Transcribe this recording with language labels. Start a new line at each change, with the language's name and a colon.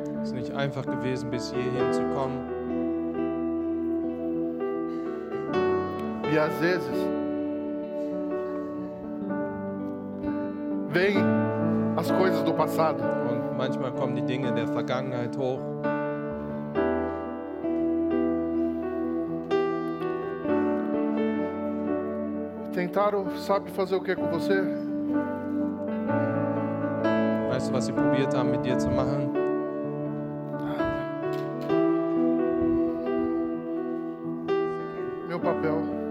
German: Es ist nicht einfach gewesen, bis hierhin zu kommen.
Portuguese: E às vezes vem as coisas do passado.
German: Und manchmal kommen die Dinge der Vergangenheit hoch.
Portuguese: Tentaram, sabe fazer o que com você?
German: Weißt du, was sie probiert haben, mit dir zu machen?
Portuguese: Meu papel.